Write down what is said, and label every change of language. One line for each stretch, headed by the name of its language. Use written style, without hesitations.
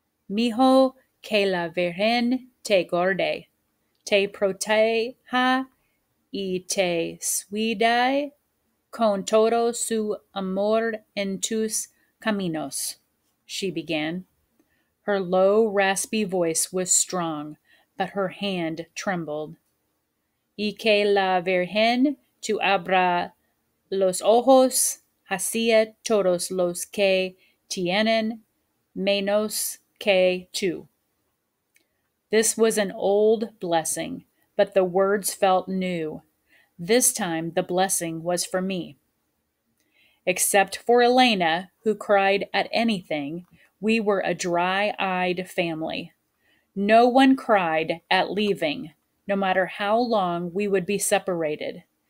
Spanish: Mijo, que la Virgen te guarde, te proteja y te cuide con todo su amor en tus caminos,
English: she began. Her low, raspy voice was strong, but her hand trembled.
Spanish: Y que la Virgen te abra los ojos hacia todos los que tienen menos que tú.
English: This was an old blessing, but the words felt new. This time the blessing was for me. Except for Elena, who cried at anything, we were a dry-eyed family. No one cried at leaving, no matter how long we would be separated.